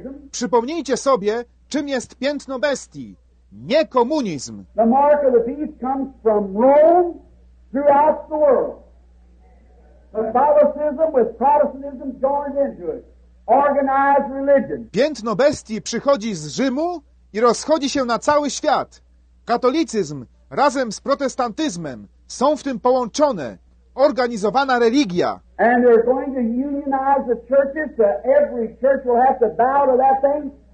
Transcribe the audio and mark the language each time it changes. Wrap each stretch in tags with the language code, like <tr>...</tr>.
<pl>Przypomnijcie sobie, czym jest piętno bestii. Nie komunizm.</pl> <en>The mark of the beast comes from Rome throughout the world. Catholicism with Protestantism joined into it. Organized religion.</en> <pl>Piętno bestii przychodzi z Rzymu i rozchodzi się na cały świat. Katolicyzm razem z protestantyzmem są w tym połączone. Organizowana religia.</pl> <en>And they're going to unionize the churches so every church will have to bow to that thing.</en>